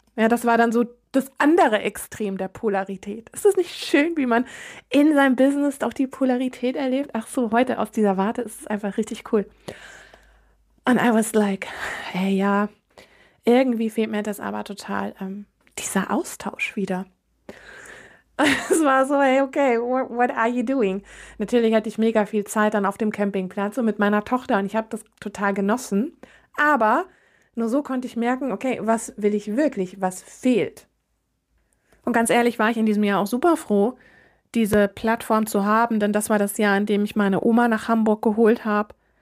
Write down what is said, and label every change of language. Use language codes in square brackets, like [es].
[de] Ja, das war dann so das andere Extrem der Polarität. Ist das nicht schön, wie man in seinem Business auch die Polarität erlebt? Ach so, heute aus dieser Warte ist es einfach richtig cool. Und [en] I was like, [de] hey, ja, irgendwie fehlt mir das aber total, dieser Austausch wieder. Es war so, [en] hey, okay, what are you doing? [de] Natürlich hatte ich mega viel Zeit dann auf dem Campingplatz und mit meiner Tochter und ich habe das total genossen. Aber nur so konnte ich merken, okay, was will ich wirklich, was fehlt? Und ganz ehrlich war ich in diesem Jahr auch super froh, diese Plattform zu haben, denn das war das Jahr, in dem ich meine Oma nach Hamburg geholt habe.